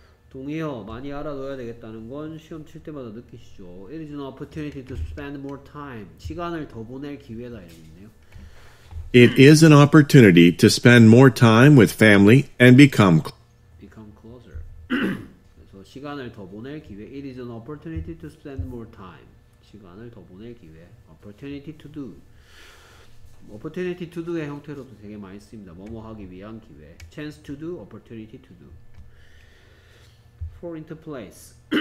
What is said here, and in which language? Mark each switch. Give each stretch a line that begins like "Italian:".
Korean: 동의어 많이 알아둬야 되겠다는 건 시험 칠 때마다 느끼시죠.
English: It is an opportunity to spend more time.
Korean: 시간을 더 보낼 기회다 이렇게 있네요.
English: It is an opportunity to spend more time with family and become closer.
Korean: 그래서 시간을 더 보낼 기회.
English: It is an opportunity to spend more time.
Korean: 시간을 더 보낼 기회.
English: Opportunity to do. Opportunity to do
Korean: 의 형태로도 되게 많이 씁니다. 뭐뭐 하기 위한 기회.
English: Chance to do, opportunity to do. For interplace.